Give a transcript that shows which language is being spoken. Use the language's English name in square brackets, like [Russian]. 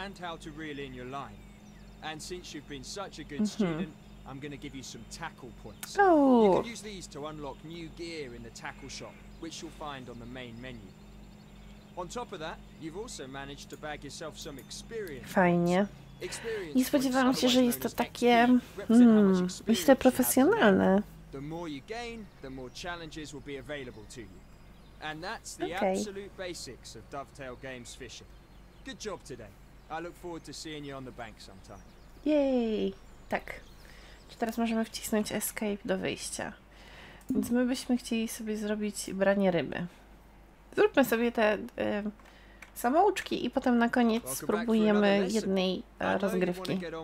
[English] and how to reel in your line. And since you've been such a good student, I'm going to give you some tackle points. Oh. You can use these to unlock new gear in the tackle shop, which you'll find on the main menu. On top of that, you've also managed to bag yourself some experience. [Polish] Fajnie. Nie spodziewałam się, że jest to takie, myślę, profesjonalne. [English] The more you gain, the more challenges will be available to you. And that's the absolute basics of Dovetail Games Fishing. Good job today. I look forward to seeing you on the bank sometime. [Polish] Yay! Tak. Czy teraz możemy wcisnąć escape do wyjścia? Więc my byśmy chcieli sobie zrobić branie ryby. Zróbmy sobie te samouczki i potem na koniec spróbujemy jednej rozgrywki.